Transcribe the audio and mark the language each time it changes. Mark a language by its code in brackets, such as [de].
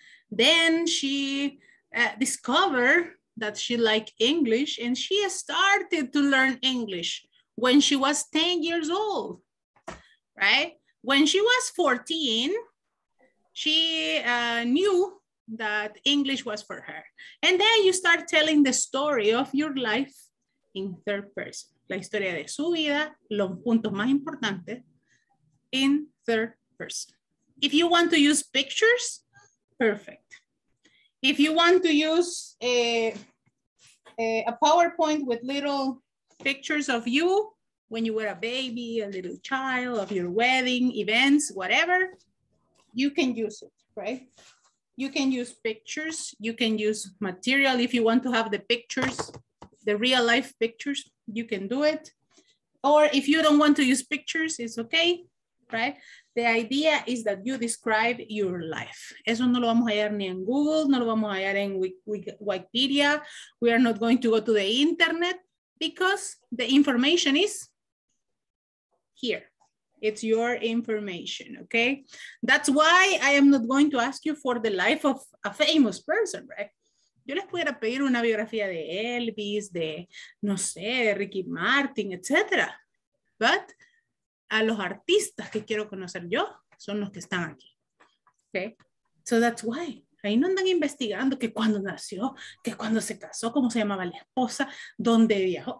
[en] Then she discovered that she liked English and she started to learn English when she was 10 years old. Right? When she was 14, she knew that English was for her. And then you start telling the story of your life in third person. [es] La historia de su vida, los puntos más importantes, [en] in third person. If you want to use pictures, perfect. If you want to use a PowerPoint with little pictures of you, when you were a baby, a little child, of your wedding, events, whatever, you can use it, right? You can use pictures, you can use material. If you want to have the pictures, the real life pictures, you can do it. Or if you don't want to use pictures, it's okay, right? The idea is that you describe your life. [es] Eso no lo vamos a hallar ni en Google, no lo vamos a hallar en Wikipedia. [en] We are not going to go to the internet because the information is here. It's your information, okay? That's why I am not going to ask you for the life of a famous person, right? [es] Yo les pudiera pedir una biografía de Elvis, de, no sé, de Ricky Martin, etc. But a los artistas que quiero conocer yo son los que están aquí, okay? [en] So that's why. [es] Ahí no andan investigando que cuando nació, que cuando se casó, cómo se llamaba la esposa, dónde viajó.